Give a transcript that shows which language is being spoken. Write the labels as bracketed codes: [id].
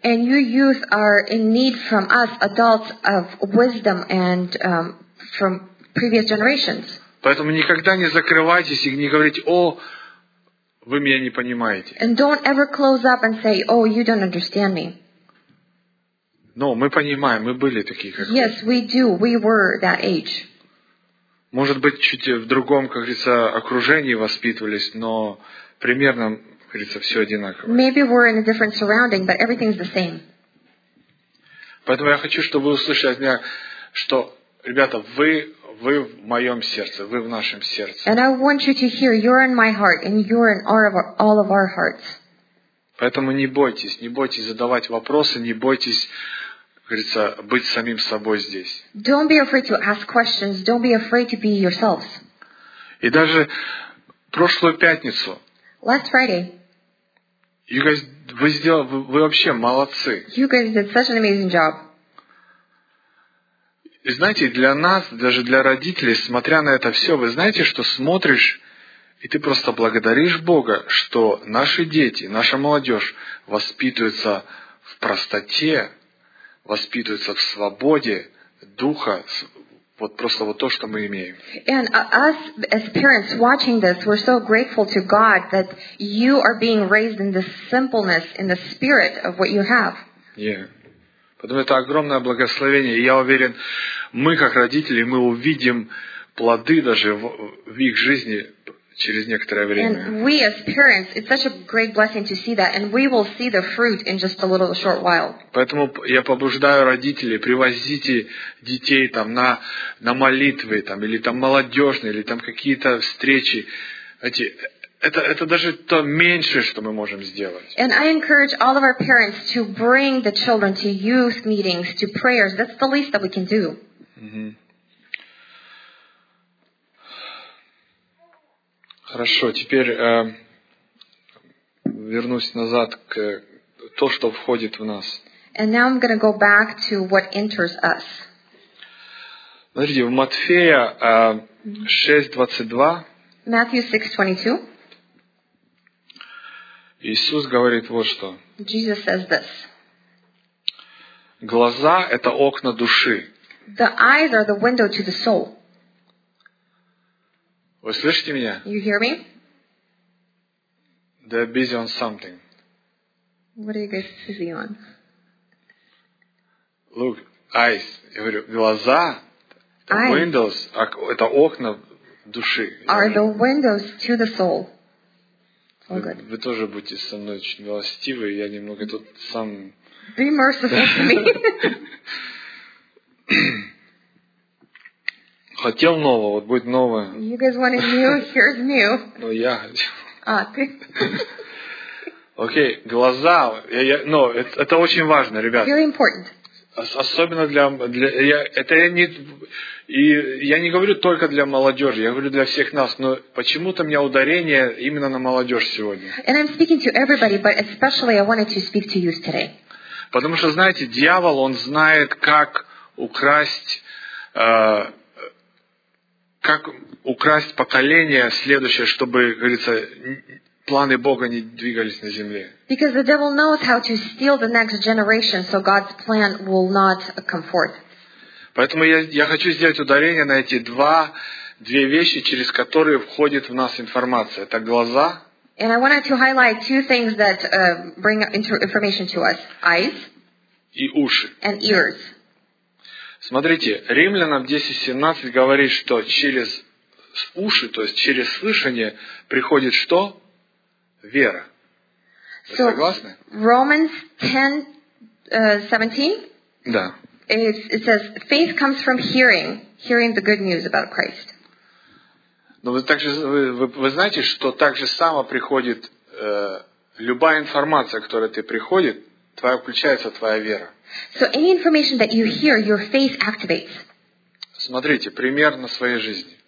[en] And you youth are in need from us, adults, of wisdom and from previous generations. [ru] Поэтому никогда не закрывайтесь и не говорите: «О, вы меня не понимаете». [en] And don't ever close up and say, «Oh, you don't understand me». [ru] Но мы понимаем, мы были такие, как [en] Yes, [ru] вы. [en] We do. We were that age. [ru] Может быть, чуть в другом, как говорится, окружении воспитывались, но примерно, как говорится, все одинаково. [en] Maybe we're in a different surrounding, but everything's the same. [ru] Поэтому я хочу, чтобы вы услышали от меня, что, ребята, вы в моем сердце, вы в нашем сердце. [en] And I want you to hear, you're in my heart, and you're in all of our hearts. [ru] Поэтому не бойтесь задавать вопросы, не бойтесь, как говорится, быть самим собой здесь. [en] Don't be afraid to ask questions, don't be afraid to be yourselves. [ru] И даже прошлую пятницу. [en] Last Friday. You guys, [ru] вы вообще молодцы. [en] You guys did such an amazing job. И знаете, для нас, даже для родителей, смотря на это все, вы знаете, что смотришь, и ты просто благодаришь Бога, что наши дети, наша молодежь воспитываются в простоте, воспитываются в свободе духа, вот просто вот то, что мы имеем. And us, as parents, watching this, we're so grateful to God that you are being raised in this simpleness, in the spirit of what you have. Yeah. [ru] Потому это огромное благословение. И я уверен, мы, как родители, мы увидим плоды даже в их жизни через некоторое время. [en] And we, as parents, it's such a great blessing to see that. And we will see the fruit in just a little short while. [ru] Поэтому я побуждаю родителей, привозите детей там на молитвы, там, или там молодежные, или там какие-то встречи. Это даже то меньшее, что мы можем сделать. [en] And I encourage all of our parents to bring the children to youth meetings, to prayers. That's the least that we can do. [ru] Хорошо, теперь вернусь назад к то, что входит в нас. [en] And now I'm going to go back to what enters us. [ru] Смотрите, в Матфея 6:22. [en] Matthew 6:22. [ru] Иисус говорит вот что. [en] Jesus says this. [ru] Глаза – это окна души. [en] The eyes are the window to the soul. [ru] Вы слышите меня? [en] You hear me? They're busy on something. What are you guys busy on? Look, eyes. [ru] Я говорю, глаза – windows. Это окна души. [en] Are the windows to the soul. [ru] Вы тоже будьте со мной очень милостивы, я немного тут сам... [en] Be merciful to me. [ru] Хотел нового, вот будет новое. [en] You guys wanted new, here's new. [ru] Ну, я хотел. А, ты. Окей, глаза, но это очень важно, ребят. [en] Very important. [ru] Особенно я не говорю только для молодежи, я говорю для всех нас, но почему-то у меня ударение именно на молодежь сегодня. [en] And I'm speaking to everybody, but especially I wanted to speak to youth today. [ru] Потому что, знаете, дьявол, он знает, как украсть поколение следующее, чтобы, как говорится, планы Бога не двигались на земле. [en] Because the devil knows how to steal the next generation, so God's plan will not come forth. [ru] Поэтому я хочу сделать ударение на эти две вещи, через которые входит в нас информация. Это глаза. [en] And I wanted to highlight two things that bring information to us. Eyes. [ru] И уши. [en] And ears. [ru] Смотрите, Римлянам 10:17 говорит, что через уши, то есть через слышание, приходит что? Вера. [en] So, [ru] согласны? [en] Romans 10:17. [ru] Да. [en] It says, faith comes from hearing the good news about Christ. [ru] Но вы знаете, что так же само приходит любая информация, которая тебе приходит, включается твоя вера. [en] So any information that you hear, your faith activates. [ru] Смотрите, пример на своей жизни.